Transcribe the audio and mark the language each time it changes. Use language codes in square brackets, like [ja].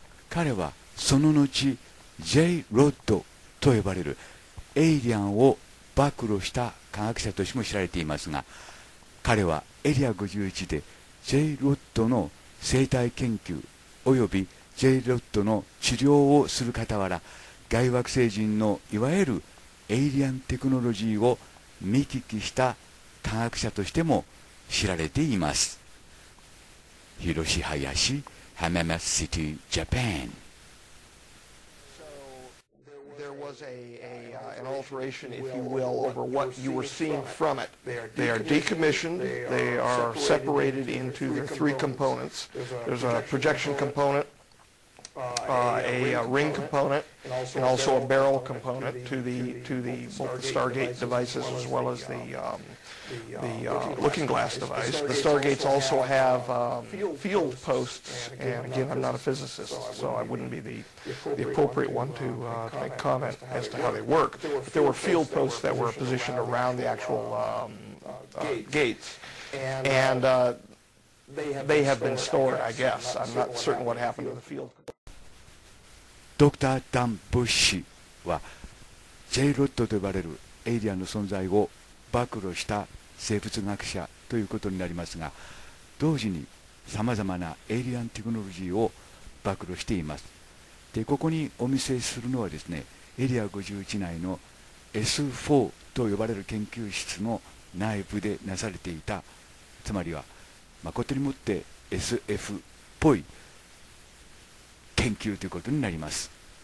[ja] 彼はその後ジェイ・ロッドと呼ばれるエイリアンを暴露した科学者としても知られていますが、彼はエリア51でジェイ・ロッドの生態研究およびジェイ・ロッドの治療をする傍ら、外惑星人のいわゆるエイリアンテクノロジーを見聞きした科学者としても知られています。広志林、浜松シティ、ジャパン。 [en] There was an alteration, if you will, over what you were seeing from it. They are decommissioned. They are separated into their three components. There's a projection component, a ring component, and also a barrel component to the both the Stargate devices as well as the looking glass device. The Stargates also have field posts, and again, I'm not a physicist, so I wouldn't be the appropriate one to make comment as to how they work. But there were field posts that were positioned around the actual gates, and they have been stored, I guess. I'm not certain what happened to the field. [ja] Dr. Dan Bush は J ロッドと呼ばれるエイリアンの存在を暴露した生物学者ということになりますが、同時にさまざまなエイリアンテクノロジーを暴露しています。でここにお見せするのはですね、エリア51内の S4 と呼ばれる研究室の内部でなされていた、つまりは誠にもって SF っぽい研究ということになります。